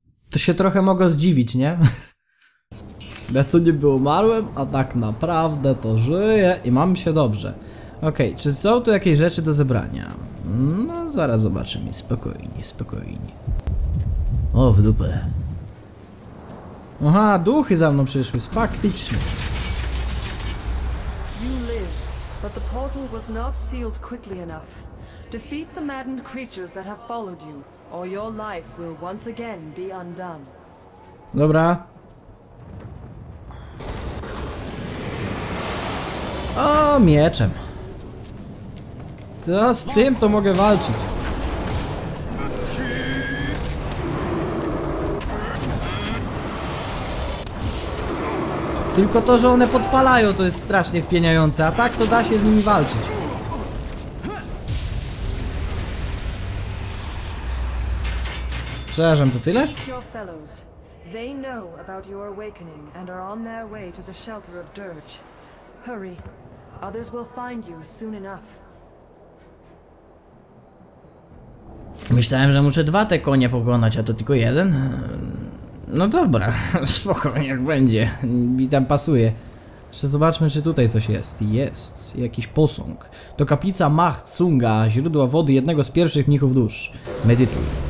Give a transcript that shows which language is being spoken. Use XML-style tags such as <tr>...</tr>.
<pl>To się trochę mogę zdziwić, nie? Ja tu niby umarłem, a tak naprawdę to żyję i mam się dobrze. Okej, czy są tu jakieś rzeczy do zebrania? No, zaraz zobaczymy. Spokojnie, spokojnie. O, w dupę. Aha, duchy za mną przyszły. Faktycznie.</pl> <en>You live, but the portal was not sealed quickly enough. Defeat the maddened creatures that have followed you. Or your life will once again be undone.</en> <pl>Dobra. O, mieczem. To z tym to mogę walczyć. Tylko to, że one podpalają, to jest strasznie wpieniające, a tak to da się z nimi walczyć. Przepraszam, to tyle?</pl> <en>Seek your fellows. They know about your awakening and are on their way to the shelter of Dirge. Hurry. Others will find you soon enough.</en> <pl>Myślałem, że muszę dwa te konie pokonać, a to tylko jeden? No dobra, spokojnie, jak będzie. Mi tam pasuje. Jeszcze zobaczmy, czy tutaj coś jest. Jest. Jakiś posąg. To kaplica Mach Tsunga, źródła wody jednego z pierwszych mnichów dusz. Medytuj.</pl>